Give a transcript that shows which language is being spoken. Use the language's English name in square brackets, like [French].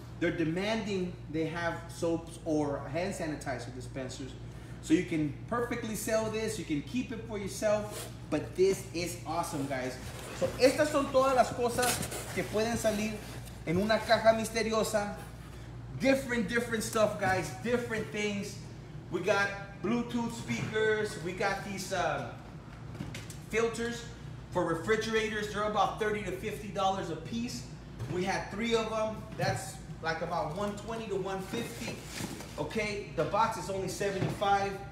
[English] they're demanding they have soaps or hand sanitizer dispensers. So you can perfectly sell this, you can keep it for yourself, but this is awesome, guys. [Spanish] So estas son todas las cosas que pueden salir en una caja misteriosa. [English] Different stuff, guys, different things. We got Bluetooth speakers, we got these filters for refrigerators. They're about $30 to $50 a piece. We had three of them. That's like about $120 to $150. Okay, the box is only $75.